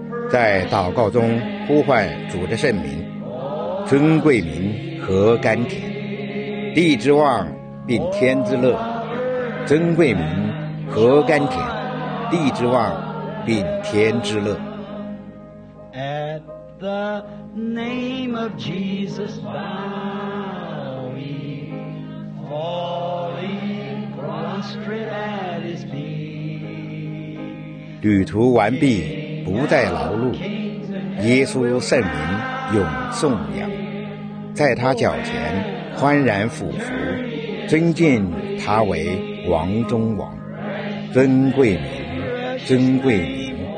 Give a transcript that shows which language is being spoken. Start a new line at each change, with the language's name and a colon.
Chinese: 在祷告中呼唤主的圣名，尊贵名和甘甜，地之望并天之乐，尊贵名和甘甜，地之望并天之乐。
English: At the name of Jesus, bowing, falling prostrate at His feet.
Chinese: 旅途完毕。不再劳碌，耶稣圣名永颂扬，在他脚前欢然俯伏，尊敬他为王中王，尊贵名，尊贵名。